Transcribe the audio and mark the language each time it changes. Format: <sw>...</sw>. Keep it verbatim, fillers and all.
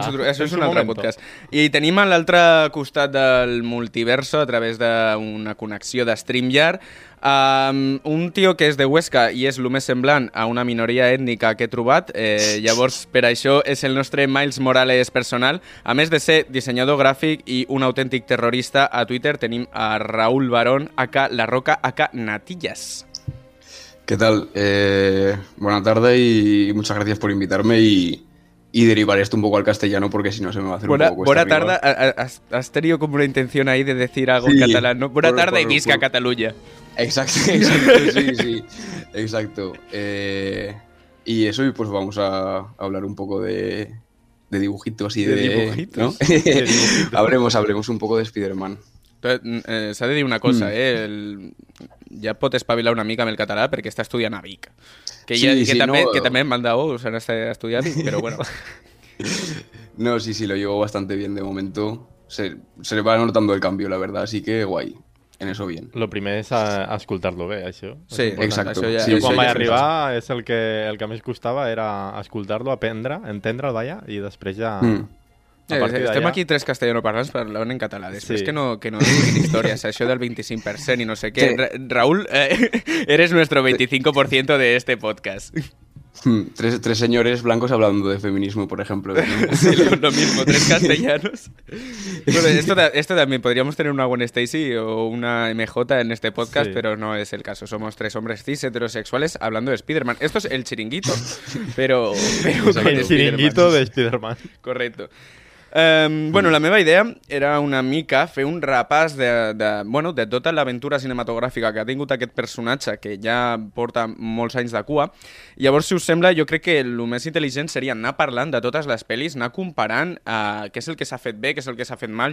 <ca>En su, això en és un altre momento. Podcast. I tenim a l'altre costat del multiverso, a través d'una connexió de StreamYard, um, un tio que és de Huesca i és el més semblant a una minoria ètnica que he trobat. Eh, llavors, per això és el nostre Miles Morales personal. A més de ser dissenyador gràfic i un autèntic terrorista, a Twitter tenim a Raúl Barón, aka La Roca, aka Natillas.</ca> <es>¿Qué tal? Eh, buena tarde y muchas gracias por invitarme y, y derivar esto un poco al castellano porque si no se me va a hacer buena, un poco cuesta arriba. Buena tarde, has, has tenido como una intención ahí de decir algo sí, en catalán, ¿no? Buena por, tarde por, y visca por... Cataluña. Exacto, exacto, sí, sí, exacto. Eh, y eso y pues vamos a hablar un poco de, de dibujitos y de... ¿De dibujitos? ¿No? De dibujitos. hablemos, hablemos un poco de Spider-Man.</es> <ca>Eh, s'ha de dir una cosa, mm. eh? El... ja pot espavilar una mica amb el català perquè està estudiant a Vic. Que, ja, sí, que, sí, també, no... que també</ca> <es>en Mandao o sea, no está estudiando, pero bueno. No, sí, sí, lo llevo bastante bien de momento. Se, se va notando el cambio, la verdad, así que guay. En eso bien.</es> <ca>Lo primer és escoltar-lo bé, això. Sí, exacte. Jo ja... sí, quan vaig arribar és el que, el que més costava era escoltar-lo, aprendre, entendre'l, vaja, i després ja... Mm. Eh, estem aquí tres castellanoparlants parlant en català. Després sí. que no, que no diguin històries, això del</ca> <es>veinticinco por ciento</es> <ca>i no sé què.</ca> <es>Ra- Raúl, eh, eres nuestro veinticinco por ciento de este podcast. Tres, tres señores blancos hablando de feminismo, por ejemplo. Sí, lo, lo mismo, tres castellanos. Bueno, esto, esto también, podríamos tener una Gwen Stacy o una M J en este podcast, sí. pero no es el caso. Somos tres hombres cis heterosexuales hablando de Spider-Man. Esto es el chiringuito, pero... pero el de chiringuito Spider-Man. De Spider-Man. Correcto.</es> <ca>Um, bueno, la meva idea era una mica fer un repàs de, de, bueno, de tota l'aventura cinematogràfica que ha tingut aquest personatge que ja porta molts anys de cua. Llavors, si us sembla, jo crec que el més intel·ligent seria anar parlant de totes les pel·lis, anar comparant uh, què és el que s'ha fet bé, què és el que s'ha fet mal.</ca>